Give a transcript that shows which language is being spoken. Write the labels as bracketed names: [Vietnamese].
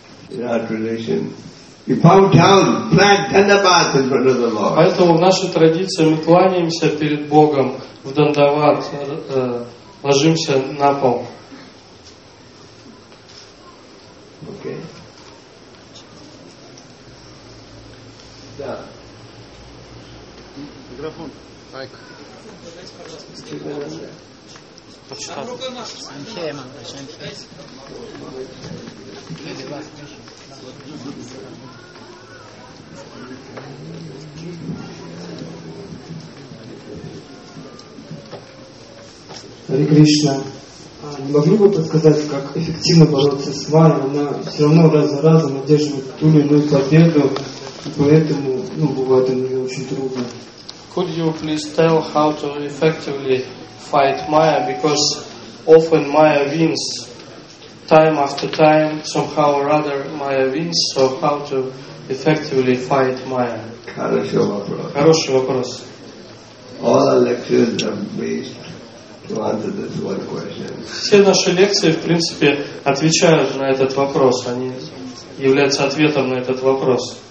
[English] In our tradition, we bow down, plant dandavat in front of the Lord. [Russian] Поэтому в нашей традиции мы кланяемся перед Богом в дандават, ложимся на пол. [English] Okay. [Russian] Да. Микрофон. Так. Хари Кришна, не могли бы подсказать, как эффективно бороться с Майей? Она все равно раз за разом одерживает ту или иную победу, и поэтому, ну, бывает у нее очень трудно. [English] Could you please tell how to effectively fight Maya, because often Maya wins time after time, somehow or other Maya wins, so how to effectively fight Maya? [Russian] Хороший вопрос. Хороший вопрос. [English] All our lectures are based to answer this one question. [Russian] Все наши лекции, в принципе, отвечают на этот вопрос. Они являются ответом на этот вопрос.